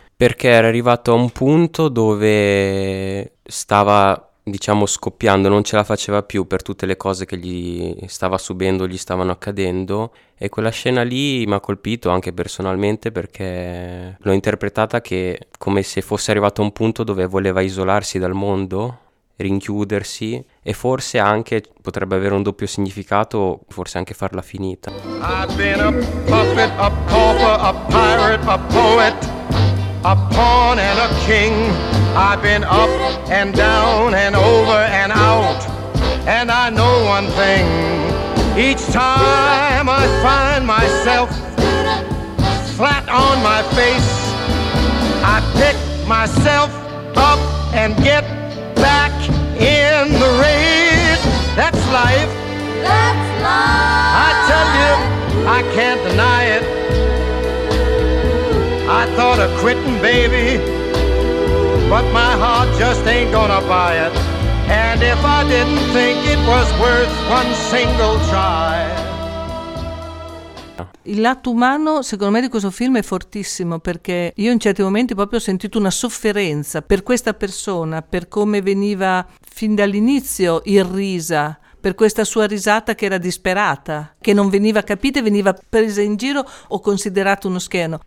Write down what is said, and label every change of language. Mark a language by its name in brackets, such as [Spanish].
[Italian] Perché era arrivato a un punto dove stava, diciamo, scoppiando, non ce la faceva più per tutte le cose che gli stava subendo, gli stavano accadendo, e quella scena lì mi ha colpito anche personalmente perché l'ho interpretata che come se fosse arrivato a un punto dove voleva isolarsi dal mondo, rinchiudersi, e forse anche potrebbe avere un doppio significato, forse anche farla finita. [English] I've been a puppet, a pauper, a pirate, a poet, a pawn and a king. I've been up and down and over and out, and I know one thing. Each time I find myself flat on my face, I pick myself up and get back in the race. That's life. That's life. I tell you, I can't deny it. I thought of quitting, baby, but my heart just ain't gonna buy it. And if I didn't think it was worth one single try. [Italian] Il lato umano, secondo me, di questo film è fortissimo, perché io in certi momenti proprio ho sentito una sofferenza per questa persona, per come veniva fin dall'inizio irrisa, per questa sua risata che era disperata, che non veniva capita e veniva presa in giro o considerata uno scherno.